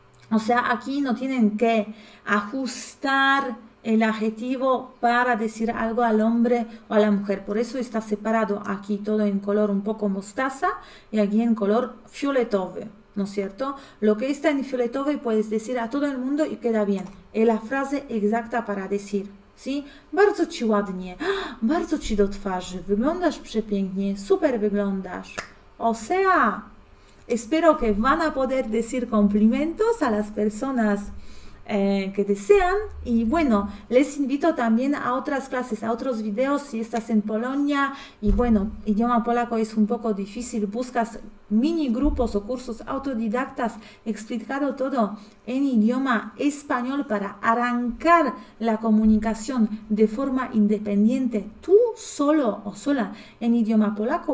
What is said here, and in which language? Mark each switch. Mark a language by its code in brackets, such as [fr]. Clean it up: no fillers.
[es] O sea, aquí no tienen que ajustar el adjetivo para decir algo al hombre o a la mujer. Por eso está separado aquí todo en color un poco mostaza y aquí en color fioletove, ¿no es cierto? Lo que está en fioletove puedes decir a todo el mundo y queda bien. Es la frase exacta para decir, ¿sí? [pl] Bardzo ci ładnie, bardzo ci do twarzy, wyglądasz przepięknie, super wyglądasz. [es] O sea, espero que van a poder decir cumplimientos a las personas que desean. Y bueno, les invito también a otras clases, a otros videos si estás en Polonia. Y bueno, idioma polaco es un poco difícil. Buscas mini grupos o cursos autodidactas explicado todo en idioma español para arrancar la comunicación de forma independiente tú solo o sola en idioma polaco.